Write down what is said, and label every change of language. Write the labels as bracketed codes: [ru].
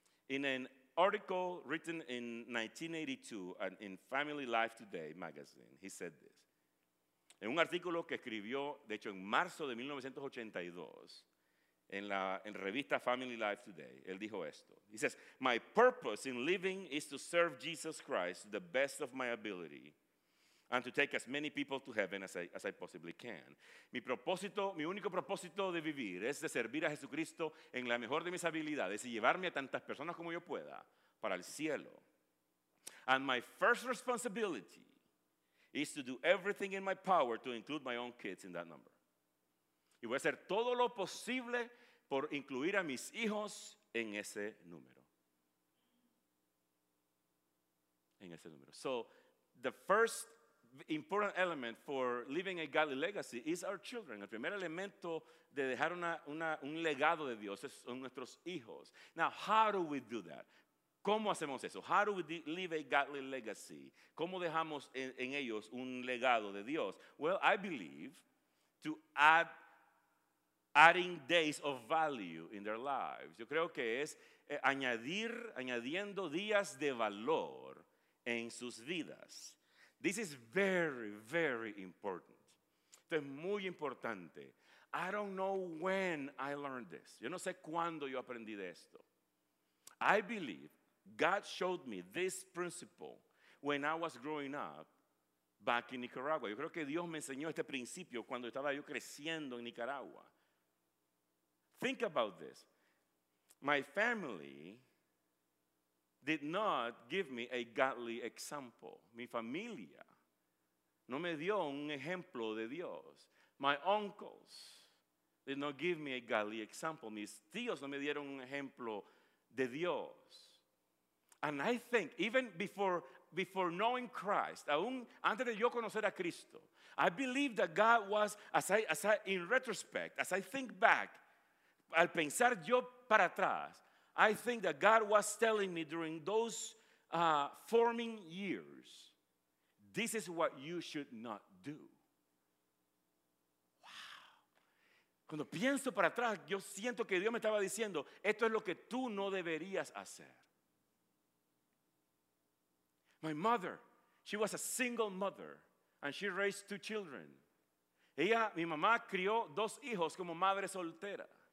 [en] In an article written in 1982 in Family Life Today magazine, he said this. [es] En un artículo que escribió, de hecho en marzo de 1982, en revista Family Life Today, él dijo esto. [en] He says, my purpose in living is to serve Jesus Christ to the best of my ability and to take as many people to heaven as I possibly can. [es] Mi propósito, mi único propósito de vivir es de servir a Jesucristo en la mejor de mis habilidades y llevarme a tantas personas como yo pueda para el cielo. [en] And my first responsibility is to do everything in my power to include my own kids in that number. [es] Y voy a hacer todo lo posible por incluir a mis hijos en ese número. En ese número. [en] So, the first important element for living a godly legacy is our children. [es] El primer elemento de dejar un legado de Dios son nuestros hijos. [en] Now, how do we do that? [es] ¿Cómo hacemos eso? [en] How do we leave a godly legacy? [es] ¿Cómo dejamos en ellos un legado de Dios? [en] Well, I believe to adding days of value in their lives. [es] Yo creo que es añadiendo días de valor en sus vidas. [en] This is very, very important. [es] Esto es muy importante. [en] I don't know when I learned this. [es] Yo no sé cuándo yo aprendí de esto. [en] I believe God showed me this principle when I was growing up back in Nicaragua. [es] Yo creo que Dios me enseñó este principio cuando estaba yo creciendo en Nicaragua. [en] Think about this. My family did not give me a godly example. [es] Mi familia no me dio un ejemplo de Dios. [en] My uncles did not give me a godly example. [es] Mis tíos no me dieron un ejemplo de Dios. [en] And I think, even before knowing Christ, [es] aún antes de yo conocer a Cristo, [en] I believe that God was, as I, in retrospect, as I think back, [es] al pensar yo para atrás, [en] I think that God was telling me during those forming years, this is what you should not do. Wow. [es] Cuando pienso para atrás, yo siento que Dios me estaba diciendo, esto es lo que tú no deberías hacer. [en] My mother, she was a single mother, and she raised two children. [es] Ella, mi mamá, crió dos hijos como madre soltera.